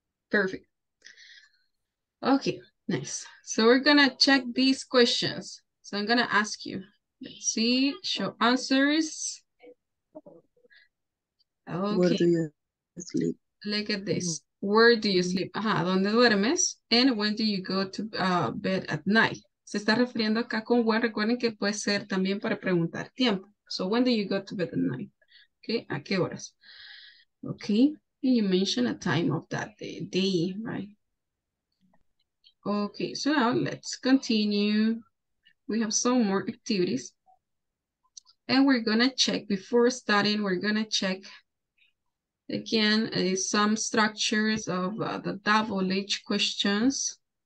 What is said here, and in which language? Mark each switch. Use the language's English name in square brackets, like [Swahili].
[English] Perfect. Okay, nice. So we're going to check these questions. So I'm going to ask you. Let's see. Show answers. Okay. Where do you sleep? Look at this. Where do you sleep? [Spanish] ¿Dónde duermes? [English] And when do you go to bed at night? [Spanish] Se está refiriendo acá con when. Recuerden que puede ser también para preguntar tiempo. [English] So when do you go to bed at night? Okay, [Spanish] ¿a qué horas? [English] Okay, and you mention a time of that day, right? Okay, so now let's continue. We have some more activities. And we're gonna check, before starting, we're gonna check again, some structures of the WH questions.